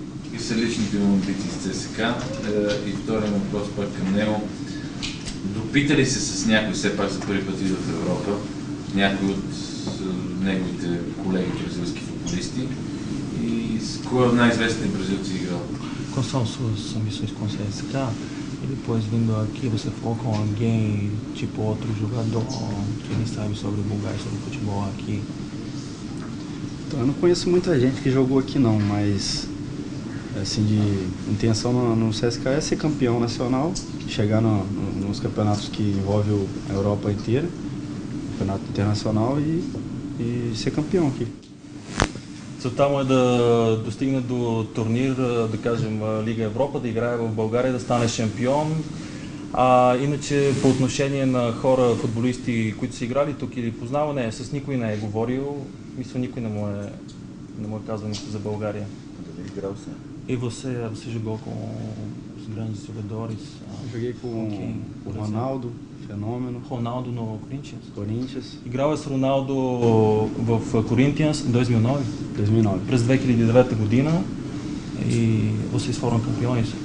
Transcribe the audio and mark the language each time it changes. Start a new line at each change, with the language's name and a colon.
Bulgarian: Какви са личните му амбиции с CSKA? И втори въпрос пак към него. Допита ли се с някой все пак за първи път в Европа? Някой от неговите колеги бразилски футболисти?
Portuguese: Quais são suas ambições com o CSKA? E depois, vindo aqui, você falou com alguém, tipo outro jogador, que nem sabe sobre o Bulgária, sobre o futebol aqui? Então, eu não conheço muita gente que jogou aqui, não, mas, assim, de intenção no CSKA é ser campeão nacional, chegar nos campeonatos que envolvem a Europa inteira, campeonato internacional, e ser campeão aqui.
Bulgarian: Целта му е да достигне до турнир, да кажем Лига Европа, да играе в България, да стане шампион. А иначе по отношение на хора, футболисти, които са играли тук или познава, не, с никой не е говорил. Мисля, никой не му е казал нищо за България. Дали играл се?
Portuguese: И você jogou com os grandes jogadores? Joguei com Ronaldo. Феномен.
Bulgarian: Роналдо на Коринтиянс? Коринтиянс. Играва с Роналдо в Коринтиянс в 2009? 2009. През 2009 година. И вие сте кампиони?